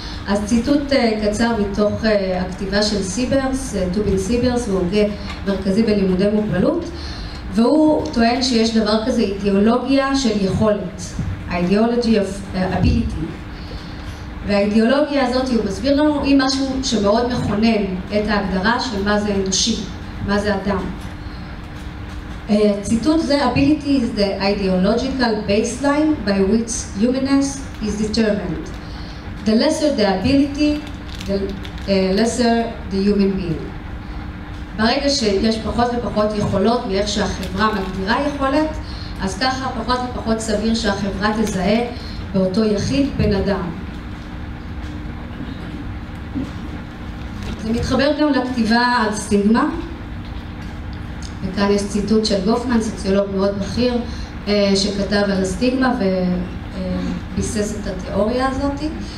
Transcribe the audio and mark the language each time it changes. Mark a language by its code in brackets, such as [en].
[he] אז ציטוט קצר מתוך הכתיבה של סיברס, טובין סיברס, הוא הוגה מרכזי בלימודי מוגבלות, והוא טוען שיש דבר כזה אידיאולוגיה של יכולת, [en] ideology of ability. [he] והאידיאולוגיה הזאת, הוא מסביר לנו, היא משהו שמאוד מכונן את ההגדרה של מה זה אנושי, מה זה אדם. ציטוט זה: [en] ability is the ideological baseline by which humanness is determined. The lesser the ability, the lesser the human being. [he] ברגע שיש פחות ופחות יכולות מאיך שהחברה מגדירה יכולת, אז ככה פחות ופחות סביר שהחברה תזהה באותו יחיד בן אדם. זה מתחבר גם לכתיבה על סטיגמה, וכאן יש ציטוט של גופמן, סוציולוג מאוד בכיר, שכתב על הסטיגמה וביסס את התיאוריה הזאת.